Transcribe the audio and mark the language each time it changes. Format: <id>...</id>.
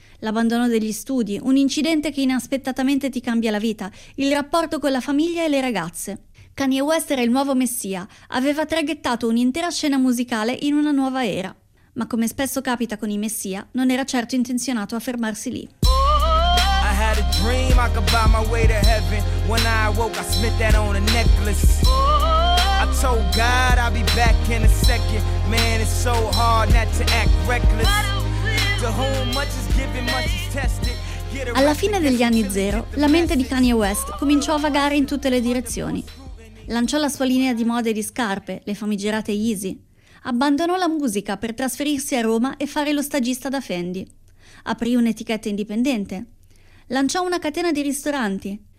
<it>L'abbandono degli studi, un incidente che inaspettatamente ti cambia la vita, il rapporto con la famiglia e le ragazze. Kanye West era il nuovo messia, aveva traghettato un'intera scena musicale in una nuova era. Ma come spesso capita con i messia, non era certo intenzionato a fermarsi lì.</it> <en>I had a dream I could buy my way to heaven. When I awoke I spent that on a necklace. I told God I'll be back in a second. Man, it's so hard not to act reckless. To whom much is given, much is tested.</en> <it>Alla fine degli anni zero, la mente di Kanye West cominciò a vagare in tutte le direzioni. Lanciò la sua linea di moda e di scarpe, le famigerate Yeezy. Abbandonò la musica per trasferirsi a Roma e fare lo stagista da Fendi. Aprì un'etichetta indipendente. Lanciò una catena di ristoranti.</it>